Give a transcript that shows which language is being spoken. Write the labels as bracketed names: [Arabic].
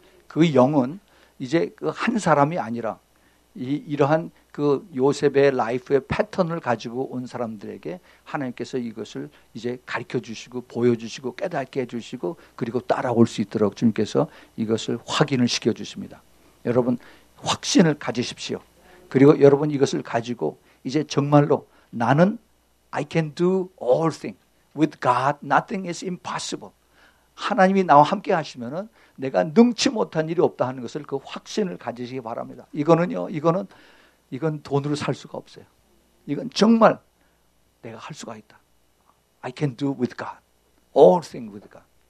[Korean] 그 영은 이제 그 한 사람이 아니라 이러한 그 요셉의 라이프의 패턴을 가지고 온 사람들에게 하나님께서 이것을 이제 가르쳐 주시고 보여주시고 깨닫게 해주시고 그리고 따라올 수 있도록 주님께서 이것을 확인을 시켜주십니다. 여러분 확신을 가지십시오. 그리고 여러분 이것을 가지고 이제 정말로 나는 [English] I can do all things with God nothing is impossible. [Korean] 하나님이 나와 함께 하시면은 내가 능치 못한 일이 없다 하는 것을 그 확신을 가지시기 바랍니다. 이건 돈으로 살 수가 없어요. 이건 정말 내가 할 수가 있다. [English] I can do with God. All things with God.